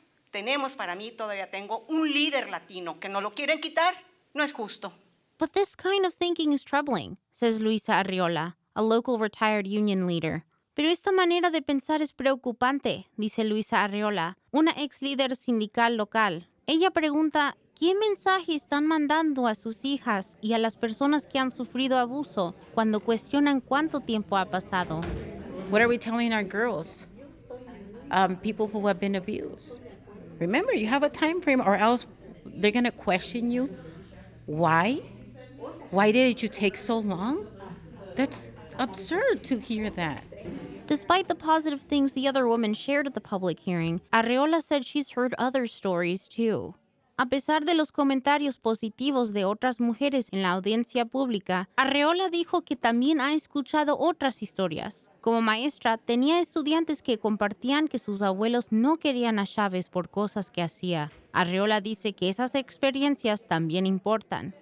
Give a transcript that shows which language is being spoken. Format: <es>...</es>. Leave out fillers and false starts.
<es>Tenemos para mí, todavía tengo un líder latino que no lo quieren quitar, no es justo.</es> <en>But this kind of thinking is troubling, says Luisa Arriola, a local retired union leader.</en> <es>Pero esta manera de pensar es preocupante, dice Luisa Arriola, una ex líder sindical local. Ella pregunta, ¿qué mensaje están mandando a sus hijas y a las personas que han sufrido abuso cuando cuestionan cuánto tiempo ha pasado?</es> <en>What are we telling our girls? People who have been abused. Remember, you have a time frame or else they're going to question you. Why? Why did you take so long? That's absurd to hear that. Despite the positive things the other woman shared at the public hearing, Arreola said she's heard other stories too.</en> <es>A pesar de los comentarios positivos de otras mujeres en la audiencia pública, Arreola dijo que también ha escuchado otras historias. Como maestra, tenía estudiantes que compartían que sus abuelos no querían a Chávez por cosas que hacía. Arreola dice que esas experiencias también importan.</es>